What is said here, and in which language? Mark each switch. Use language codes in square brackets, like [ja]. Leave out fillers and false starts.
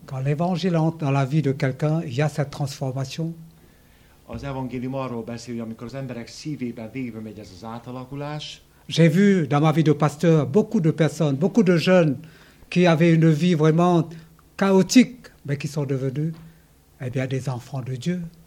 [fr] Quand l'évangile entre dans la vie de quelqu'un, il y a cette transformation. [hu] Az evangélium arról beszél, hogy amikor az emberek szívében végbe megy ez az átalakulás. [fr] J'ai vu dans ma vie de pasteur beaucoup de personnes, beaucoup de jeunes qui avaient une vie vraiment chaotique, mais qui sont devenus eh bien, des enfants de Dieu.